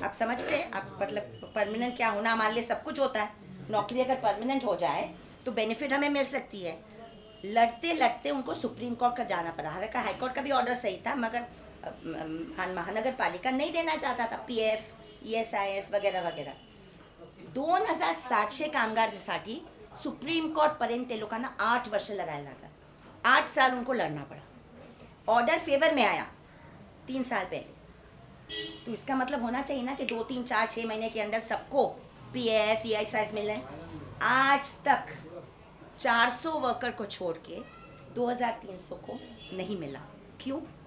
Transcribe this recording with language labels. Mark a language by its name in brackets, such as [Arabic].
[Hindi] आप समझते हैं, आप मतलब परमानेंट क्या होना, हमारे लिए सब कुछ होता है, नौकरी अगर परमानेंट हो जाए तो बेनिफिट हमें मिल सकती है। लड़ते लड़ते उनको सुप्रीम कोर्ट का जाना पड़ा। हालांकि हाईकोर्ट का भी ऑर्डर सही था, मगर महानगर पालिका नहीं देना चाहता था PF ESIS वगैरह वगैरह। [Marathi] 2700 कामगार साठी सुप्रीम कोर्ट पर्यंत ते लोकांना 8 वर्ष लढायला लागला। [Hindi] 8 साल उनको लड़ना पड़ा। ऑर्डर फेवर में आया 3 साल पहले, तो इसका मतलब होना चाहिए ना कि 2-3-4-6 महीने के अंदर सबको PF ESIS मिलने। आज तक 400 वर्कर को छोड़ के 2300 को नहीं मिला। क्यों?